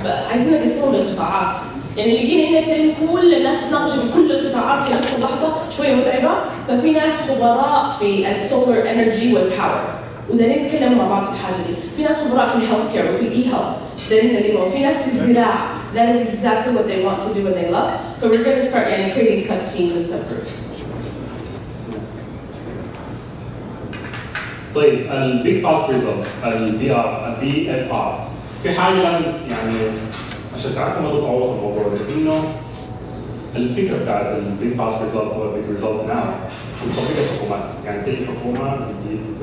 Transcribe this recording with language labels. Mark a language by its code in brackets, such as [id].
[ar] عايزين نقسمهم للقطاعات يعني اللي جينا هنا كان كل الناس تناقش في كل القطاعات في نفس اللحظة شوية متعبة ففي ناس خبراء في السولار انرجي والباور وده نتكلم مع بعض في الحاجة دي في ناس خبراء في الهيلث كير وفي الاي هيلث دارين اللي هو في ناس في الزراعة [en] That is exactly what they want to do and they love. So we're going to start yeah, creating some teams and some groups. [ar] طيب البيج باس ريزلت البي ار البي اف ار في حاجه يعني عشان تعرفوا مدى صعوبه الموضوع انه الفكره بتاعت البيج باس ريزلت او البيج ريزلت ناو تطبيق الحكومات يعني تجي الحكومه بتجيب